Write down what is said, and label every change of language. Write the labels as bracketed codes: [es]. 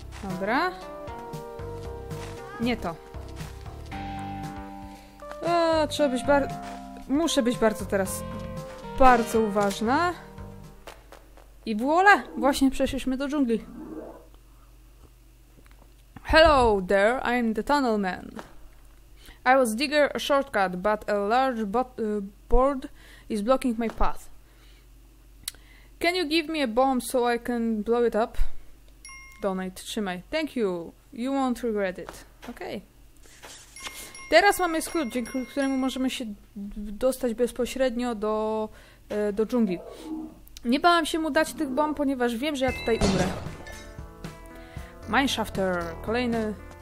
[pl] Dobra. Nie to. O, trzeba być bardzo... Muszę być bardzo teraz... bardzo uważna. I voilà! Właśnie przeszliśmy do dżungli. [en] Hello there, I'm the tunnel man. I was digging a shortcut, but a large board is blocking my path. Can you give me a bomb so I can blow it up? Donate, [pl] trzymaj. [en] Thank you, you won't regret it. Okay. [pl] Teraz mamy skrót, dzięki któremu możemy się dostać bezpośrednio do dżungli. Nie bałam się mu dać tych bomb, ponieważ wiem, że ja tutaj umrę. Mineshafter, kolejny...